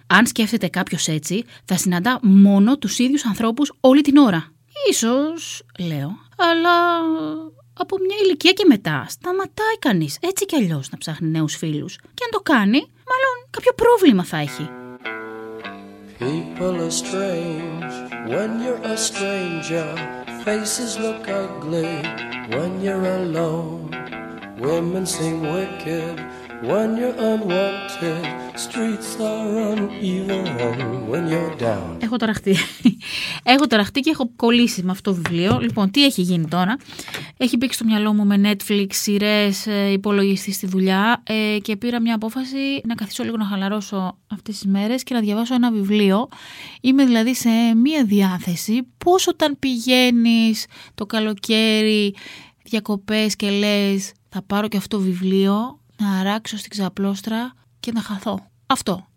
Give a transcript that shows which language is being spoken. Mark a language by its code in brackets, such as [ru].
[el] Αν σκέφτεται κάποιος έτσι, θα συναντά μόνο τους ίδιους ανθρώπους όλη την ώρα. Ίσως, λέω. Αλλά από μια ηλικία και μετά σταματάει κανείς έτσι κι αλλιώς να ψάχνει νέους φίλους. Και αν το κάνει, μάλλον κάποιο πρόβλημα θα έχει. [en] People are strange when you're a stranger. Faces look ugly when you're alone. Women seem wicked when you're unwanted. Streets are uneven when you're down. [el] Έχω ταραχτεί. Έχω ταραχτεί και έχω κολλήσει με αυτό το βιβλίο. Λοιπόν, τι έχει γίνει τώρα? Έχει μπήξει στο μυαλό μου με Netflix, σειρές, υπολογιστή στη δουλειά και πήρα μια απόφαση να καθίσω λίγο να χαλαρώσω αυτές τις μέρες και να διαβάσω ένα βιβλίο. Είμαι δηλαδή σε μια διάθεση πώς όταν πηγαίνεις το καλοκαίρι διακοπές και λες θα πάρω και αυτό το βιβλίο να αράξω στην ξαπλώστρα και να χαθώ. Αυτό.